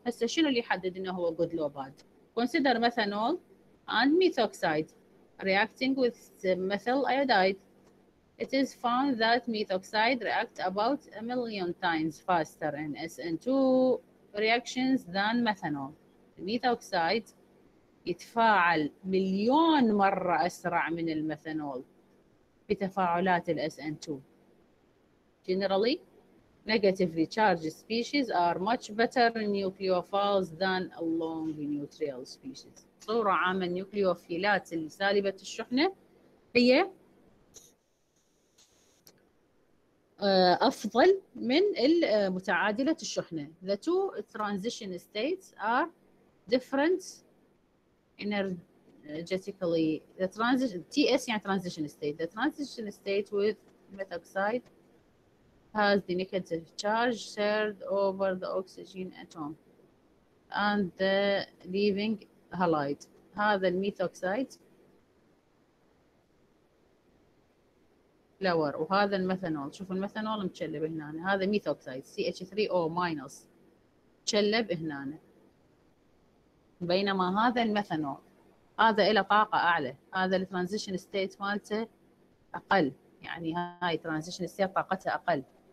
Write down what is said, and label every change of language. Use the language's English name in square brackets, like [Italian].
[Arabic] هسه شنو اللي يحدد انه هو [English] good low bad؟ Consider methanol and methoxide reacting with methyl iodide. It is found that methoxide reacts about a million times faster in SN2 reactions than methanol. [Arabic] الميثوكسايد يتفاعل مليون مرة أسرع من الميثانول بتفاعلات الـ SN2. Generally, [English] negatively charged species are much better nucleophiles than long neutral species. [Arabic] صورة عامة النيوكليوفيلات السالبة الشحنة هي أفضل من المتعادلة الشحنة. [English] The two transition states are different energetically. The transition TS يعني transition state. The transition state with methoxide has the negative charge shared over the oxygen atom and the leaving halide. [Arabic] هذا الميثوكسايد لور وهذا الميثانول. شوف الميثانول متشلب هنا، هذا ميثوكسايد CH3O minus متشلب هنا، بينما هذا الميثانول هذا إلى طاقة أعلى، هذا الترانزيشن ستيت مالته أقل، يعني هاي ترانزيشن ستيت طاقتها أقل.